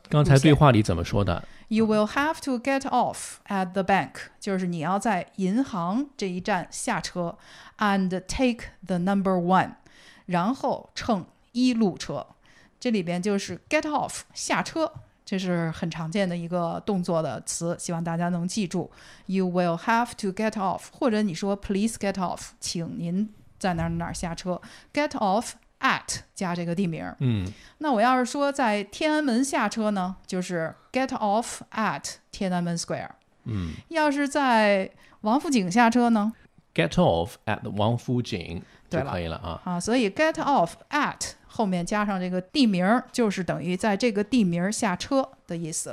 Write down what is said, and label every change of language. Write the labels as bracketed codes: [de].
[zh] 刚才对话里怎么说的？ [en] You will have to get off at the bank, [zh] 就是你要在银行这一站下车 [en] and take the number one, [zh] 然后乘一路车。这里边就是 get off, 下车，这是很常见的一个动作的词，希望大家能记住。 [en] You will have to get off, [zh] 或者你说 [en] please get off, [zh] 请您在哪哪下车。 [en] Get off at [zh] 加这个地名。那我要是说在天安门下车呢，就是 [en] get off at [zh] 天安门 square。要是在王府井下车呢？ [en] Get off at [zh] 王府井就可以了所以 get off at后面加上这个地名，就是等于在这个地名下车的意思。